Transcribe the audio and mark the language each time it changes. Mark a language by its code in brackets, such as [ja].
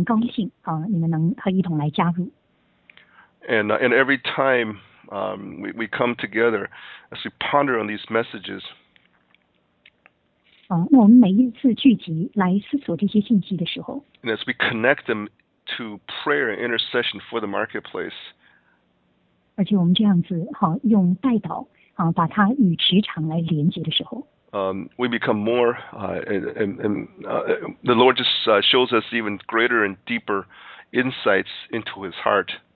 [zh] 非常不同寻常的向着末世的一个心意向我们来启示，让我们非常高兴，你们能和一同来加入。 [en] And every time we come together as we ponder on these messages, [zh] 那我们每一次聚集来思索这些信息的时候, [en] and as we connect them to prayer and intercession for the marketplace, [zh] 而且我们这样子用代祷把它与职场来连接的时候, [en] We become more, the Lord just shows us even greater and deeper insights into His heart.